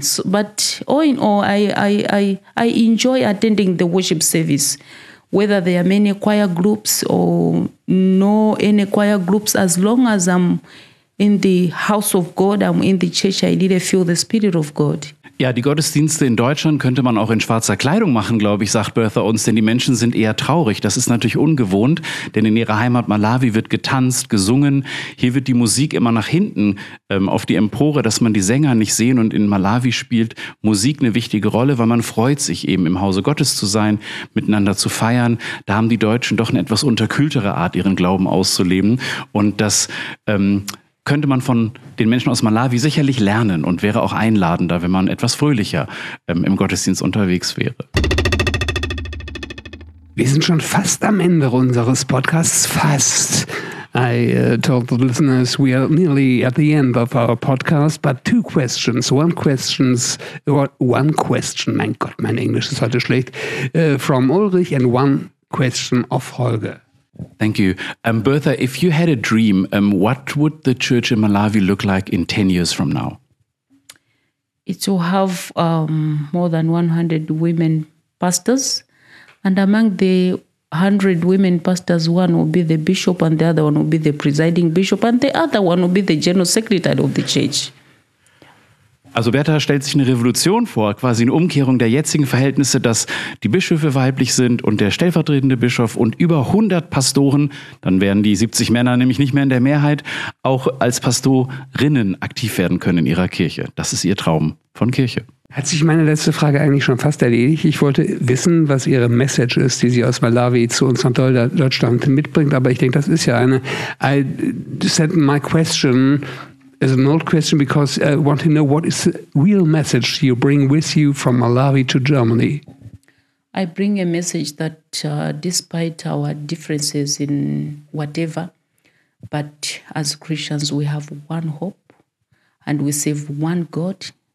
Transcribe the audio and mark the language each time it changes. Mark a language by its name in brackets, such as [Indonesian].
[English] So, but all in all, I enjoy attending the worship service. Whether there are many choir groups or no any choir groups, as long as I'm in the house of God, I'm in the church, I really feel the spirit of God. [German] Ja, die Gottesdienste in Deutschland könnte man auch in schwarzer Kleidung machen, glaube ich, sagt Bertha uns, denn die Menschen sind eher traurig. Das ist natürlich ungewohnt, denn in ihrer Heimat Malawi wird getanzt, gesungen. Hier wird die Musik immer nach hinten auf die Empore, dass man die Sänger nicht sehen. Und in Malawi spielt Musik eine wichtige Rolle, weil man freut sich eben, im Hause Gottes zu sein, miteinander zu feiern. Da haben die Deutschen doch eine etwas unterkühltere Art, ihren Glauben auszuleben. Und das... könnte man von den Menschen aus Malawi sicherlich lernen und wäre auch einladender, wenn man etwas fröhlicher im Gottesdienst unterwegs wäre. Wir sind schon fast am Ende unseres Podcasts. Fast. [English] I told the listeners we are nearly at the end of our podcast, but two questions. One question, [German] mein Gott, mein Englisch ist heute schlecht, [English] from Ulrich and one question of Holger. Thank you. Bertha, if you had a dream, what would the church in Malawi look like in 10 years from now? It will have more than 100 women pastors. And among the 100 women pastors, one will be the bishop and the other one will be the presiding bishop and the other one will be the general secretary of the church. [German] Also Bertha stellt sich eine Revolution vor, quasi eine Umkehrung der jetzigen Verhältnisse, dass die Bischöfe weiblich sind und der stellvertretende Bischof und über 100 Pastoren, dann wären die 70 Männer nämlich nicht mehr in der Mehrheit, auch als Pastorinnen aktiv werden können in ihrer Kirche. Das ist ihr Traum von Kirche. Hat sich meine letzte Frage eigentlich schon fast erledigt? Ich wollte wissen, was Ihre Message ist, die Sie aus Malawi zu uns nach Deutschland mitbringt. Aber ich denke, das ist ja eine. [English] I sent my question as an old question because I want to know what is the real message you bring with you from Malawi to Germany. I bring a message that despite our differences in whatever, but as Christians we have one hope and we serve one God.